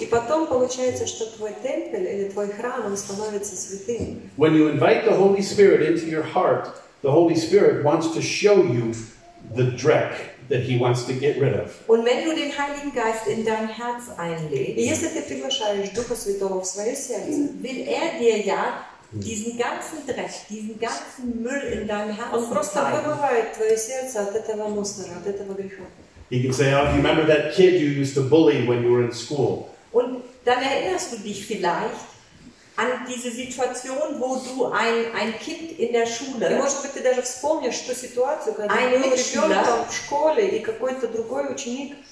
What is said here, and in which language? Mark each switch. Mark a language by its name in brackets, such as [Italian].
[Russian] И потом получается, что твой Tempel или твой Храм, он становится святым. [English] When you invite the Holy Spirit into your heart, the Holy Spirit wants to show you the dreck that he wants to get rid of. [German] Und wenn du den Heiligen Geist in dein Herz einlädst, [Russian] если ты приглашаешь Духа Святого в свое сердце, [German] will er dir ja diesen ganzen Dreck, diesen ganzen Müll in deinem Herzen. Und [Russian] просто вымывает твое сердце от этого мусора, от этого греха. [English] He can say, oh, remember that kid you used to bully when you were in school. [German] Und dann erinnerst du dich vielleicht an diese Situation, wo du ein Kind in der Schule. [Russian] Ты можешь быть даже вспомнишь ту ситуацию, когда ты был ребенком в школе и какой-то другой ученик